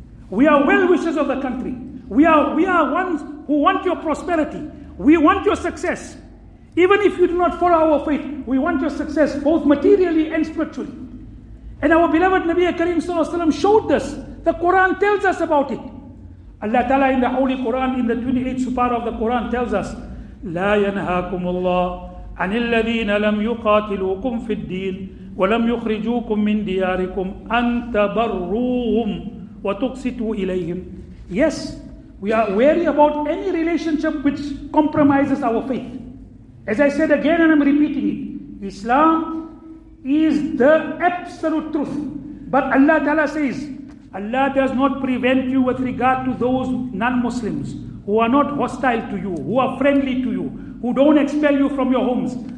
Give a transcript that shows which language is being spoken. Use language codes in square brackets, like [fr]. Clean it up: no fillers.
[en] We are well wishers of the country. We are ones who want your prosperity. We want your success. Even if you do not follow our faith, we want your success both materially and spiritually. And our beloved Nabi Kareem Sallallahu Alaihi Wasallam showed this. The Quran tells us about it. Allah Ta'ala in the Holy Quran, in the 28th surah of the Quran, tells us, [ar] لَا يَنْهَاكُمُ اللَّهُ عَنِ الَّذِينَ لَمْ يُقَاتِلُوكُمْ فِي الدِّينِ وَلَمْ يُخْرِجُوكُمْ مِنْ دِيَارِكُمْ أَنْ تَبَرُّوهُمْ وَتُقْسِطُوا إِلَيْهِمْ. [en] Yes, we are wary about any relationship which compromises our faith. As I said again and I'm repeating it, Islam is the absolute truth. But Allah Ta'ala says, Allah does not prevent you with regard to those non-Muslims who are not hostile to you, who are friendly to you, who don't expel you from your homes.